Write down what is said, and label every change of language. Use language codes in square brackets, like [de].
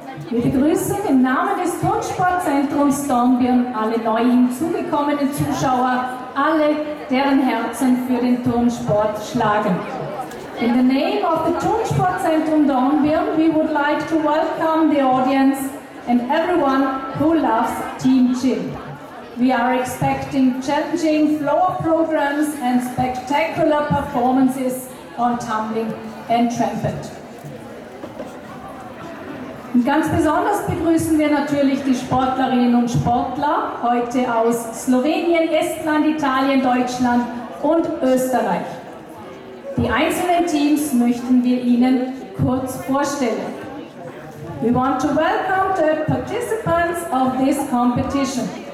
[de] Wir begrüßen im Namen des Turnsportzentrums Dornbirn alle neu hinzugekommenen Zuschauer, alle, deren Herzen für den Turnsport schlagen. [en] In the name of the Turnsportzentrum Dornbirn, we would like to welcome the audience and everyone who loves Team Gym. We are expecting challenging floor programs and spectacular performances on tumbling and trumpet. [de] Und ganz besonders begrüßen wir natürlich die Sportlerinnen und Sportler heute aus Slowenien, Estland, Italien, Deutschland und Österreich. Die einzelnen Teams möchten wir Ihnen kurz vorstellen. [en] We want to welcome the participants of this competition.